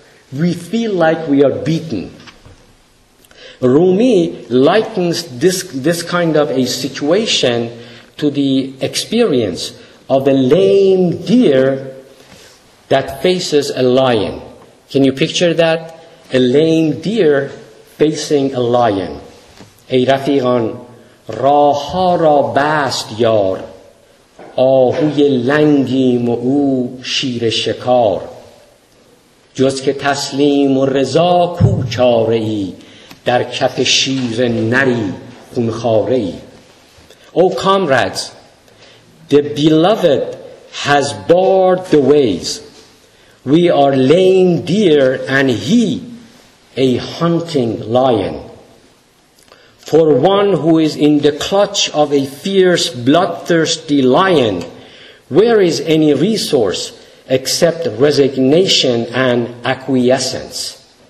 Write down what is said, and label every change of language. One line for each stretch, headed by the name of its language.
English: We feel like we are beaten. Rumi likens this kind of a situation to the experience of a lame deer that faces a lion. Can you picture that? A lame deer facing a lion.
Persian: ای رفیقان، راه ها را بست یار، آهوی لنگیم و او شیر شکار. جز که تسلیم و رضا کو چاره ای، در کف شیر نری خونخاره ای.
English: Oh comrades, the beloved has barred the ways. We are lame deer and he a hunting lion. For one who is in the clutch of a fierce, bloodthirsty lion, where is any resource except resignation and acquiescence?